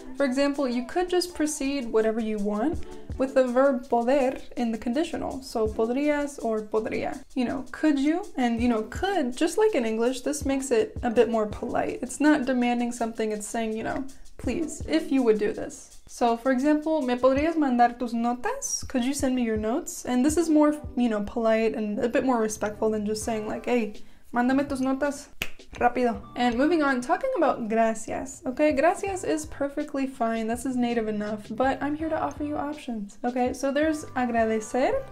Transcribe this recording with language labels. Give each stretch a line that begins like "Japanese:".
English: For example, you could just proceed whatever you want with the verb poder in the conditional. So podrías or podría. You know, could you? And you know, could, just like in English, this makes it a bit more polite. It's not demanding something, it's saying, you know, please, if you would do this. So for example,
Spanish: ¿me podrías mandar tus notas?
English: Could you send me your notes? And this is more, you know, polite and a bit more respectful than just saying like, hey,
Spanish: mándame tus notas. Rápido.
English: And moving on, talking about gracias. Okay, gracias is perfectly fine. This is native enough, but I'm here to offer you options. Okay, so there's agradecer.